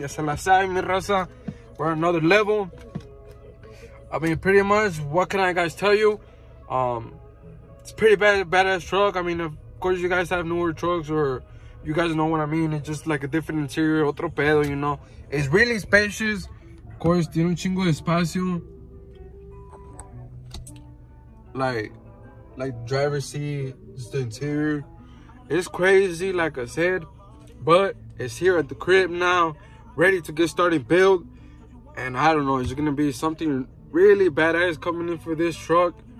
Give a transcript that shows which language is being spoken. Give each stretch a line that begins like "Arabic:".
English: Ya se la sabe, mi raza. We're on another level. I mean, pretty much, what can I guys tell you? It's pretty badass truck. I mean, of course, you guys have newer trucks, or you guys know what I mean. It's just like a different interior, otro pedo, you know. It's really spacious.
Spanish: Of course, tiene un chingo de espacio.
English: Like driver's seat, just the interior. It's crazy, like I said. But it's here at the crib now, ready to get started build. And I don't know, it's gonna be something really badass coming in for this truck.